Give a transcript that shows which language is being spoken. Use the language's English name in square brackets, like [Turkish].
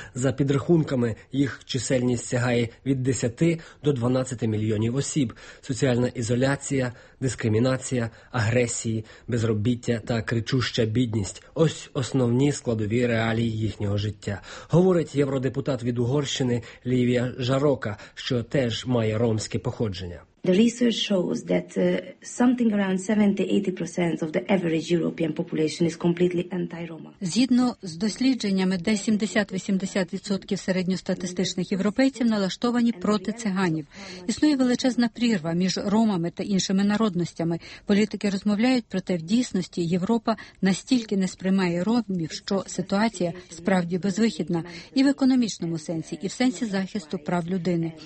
[Ukrainian] За підрахунками, їх чисельність сягає від 10 до 12 мільйонів осіб. Соціальна ізоляція, дискримінація, агресії, безробіття та кричуща бідність – ось основні складові реалії їхнього життя. Говорить євродепутат від Угорщини Лівія Жарока, що теж має ромське походження. [English] The research shows that something around 70-80% of the average European population is completely anti-Roma. [Ukrainian] Згідно з дослідженнями, десь 70-80% середньостатистичних європейців налаштовані проти циганів. Існує величезна прірва між ромами та іншими народностями. Політики розмовляють про те, в дійсності Європа настільки не сприймає ромів, що ситуація справді безвихідна і в економічному сенсі, і в сенсі захисту прав людини.